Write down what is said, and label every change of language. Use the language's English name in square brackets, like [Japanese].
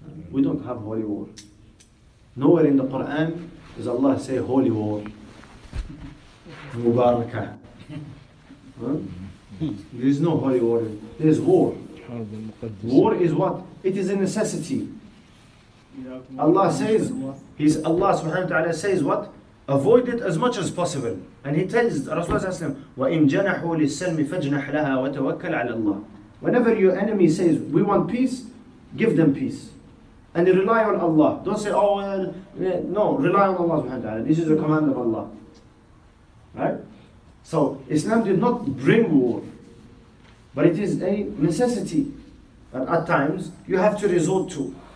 [English] We don't have holy war. Nowhere in the Quran does Allah say holy war. Mubarakah. There is no holy war. There is war. War is what? It is a necessity. Allah says, Allah subhanahu wa ta'ala says what? Avoid it as much as possible. And He tells Rasulullah, [Arabic] وَإِنْ جَنَحُوا لِلسَّلْمِ فَجْنَحْ لَهَا وَتَوَكَّلْ عَلَى اللَّهِ. [English] Whenever your enemy says, we want peace, give them peace. And rely on Allah. Don't say, oh well, no, rely on Allah subhanahu wa ta'ala. This is a command of Allah. Right? So Islam did not bring war, but it is a necessity that at times you have to resort to.